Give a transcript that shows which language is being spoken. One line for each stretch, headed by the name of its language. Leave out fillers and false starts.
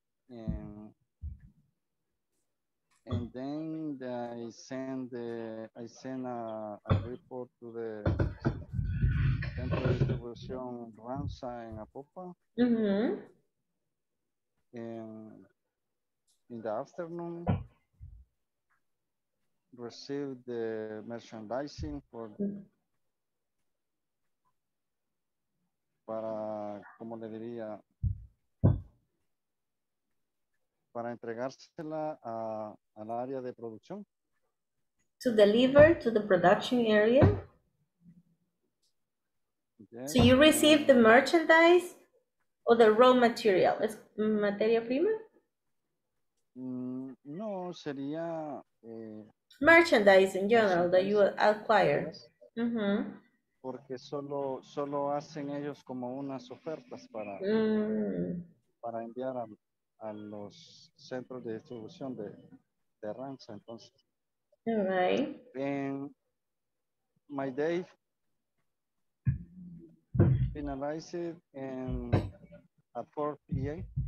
English: And then I send a report to the Centro de Distribución Ranza in Apopa. Mm-hmm. And in the afternoon, receive the merchandising for. Mm-hmm.
Spanish: Para, como le diría, para entregársela al área de producción.
English: To deliver to the production area? Yes. So you receive the merchandise o the raw material,
Spanish: ¿es materia prima? No, sería...
English: merchandise in general, that you acquire. Mm-hmm.
Spanish: Porque solo hacen ellos como unas ofertas para, para enviar a los centros de distribución de RANSA, entonces.
English: All right. And my day finalized in at 4 p.m.